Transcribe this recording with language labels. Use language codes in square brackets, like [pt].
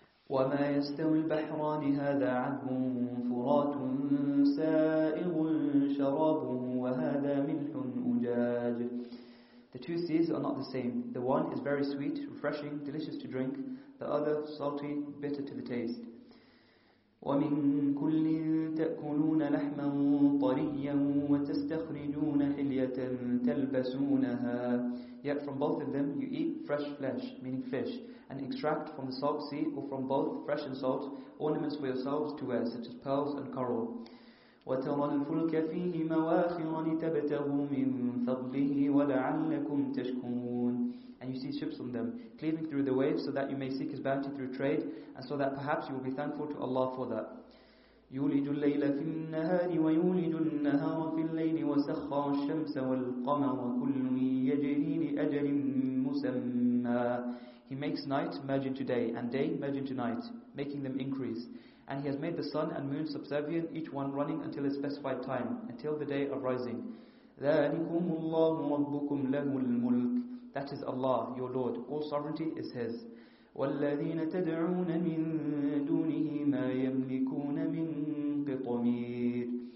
[ar] وما يستوي البحران هذا عذب فرات سائغ شرابه وهذا ملح أجاج. [en] The two seas are not the same. The one is very sweet, refreshing, delicious to drink. The other, salty, bitter to the taste. [ar] وَمِن كُلٍّ تَأْكُلُونَ لَحْمًا طَرِيًّا وَتَسْتَخْرِجُونَ حِلْيَةً تَلْبَسُونَهَا. [en] Yet from both of them you eat fresh flesh, meaning fish, and extract from the salt sea, or from both fresh and salt, ornaments for yourselves to wear, such as pearls and coral. [ar] وترى الفلك فيه مواخر لتبتغوا من فضله ولعلكم تشكرون. [en] And you see ships on them, cleaving through the waves so that you may seek his bounty through trade, and so that perhaps you will be thankful to Allah for that. [ar] يولج الليل في النهار ويولج النهار في الليل وسخر الشمس والقمر كل يجري لأجل مسمى. [en] He makes night merge into day, and day merge into night, making them increase. And he has made the sun and moon subservient, each one running until its specified time, until the day of rising. [ar] ذَلِكُمُ اللَّهُ رَبُّكُمْ لَهُ الْمُلْكُ. [en] That is Allah, your Lord. All sovereignty is His. [ar] وَالَّذِينَ تَدْعُونَ مِن دُونِهِ مَا يَمْلِكُونَ مِن قِطْمِيرٍ.